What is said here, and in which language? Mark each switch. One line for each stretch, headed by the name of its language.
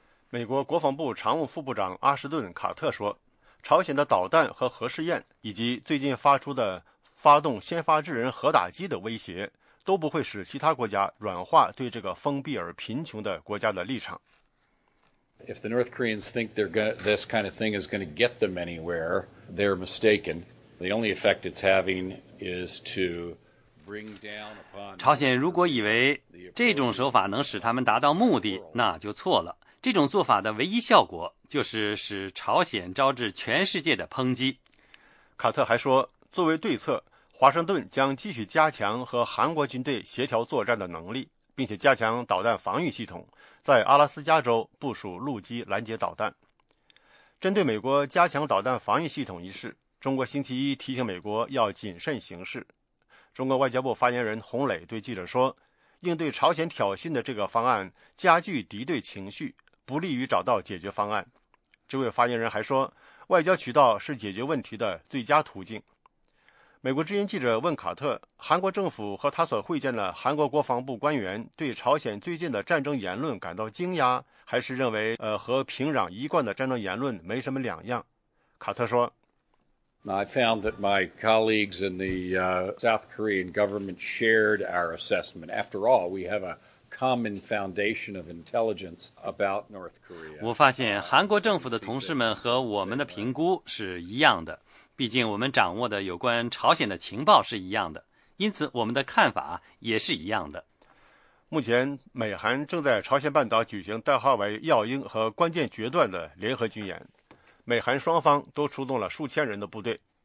Chinese: 美国国防部常务副部长阿什顿·卡特说，朝鲜的导弹和核试验，以及最近发出的发动先发制人核打击的威胁，都不会使其他国家软化对这个封闭而贫穷的国家的立场。
English: If the North Koreans think this kind of thing is going to get them anywhere, they're mistaken. The only effect it's having is to bring down upon.
Chinese: 朝鲜如果以为这种手法能使他们达到目的，那就错了。这种做法的唯一效果就是使朝鲜招致全世界的抨击。卡特还说，作为对策，华盛顿将继续加强和韩国军队协调作战的能力，并且加强导弹防御系统，在阿拉斯加州部署陆基拦截导弹。针对美国加强导弹防御系统一事，中国星期一提醒美国要谨慎行事。中国外交部发言人洪磊对记者说，应对朝鲜挑衅的这个方案加剧敌对情绪，不利于找到解决方案。这位发言人还说，外交渠道是解决问题的最佳途径。美国之音记者问卡特，韩国政府和他所会见的韩国国防部官员对朝鲜最近的战争言论感到惊讶，还是认为和平壤一贯的战争言论没什么两样？卡特说，
English: I found that my colleagues in the South Korean government shared our assessment. After all, we have a common foundation of intelligence about North Korea.
Chinese: 我发现韩国政府的同事们和我们的评估是一样的，毕竟我们掌握的有关朝鲜的情报是一样的，因此我们的看法也是一样的。目前美韩正在朝鲜半岛举行代号为耀英和关键决断的联合军演，美韩双方都出动了数千人的部队。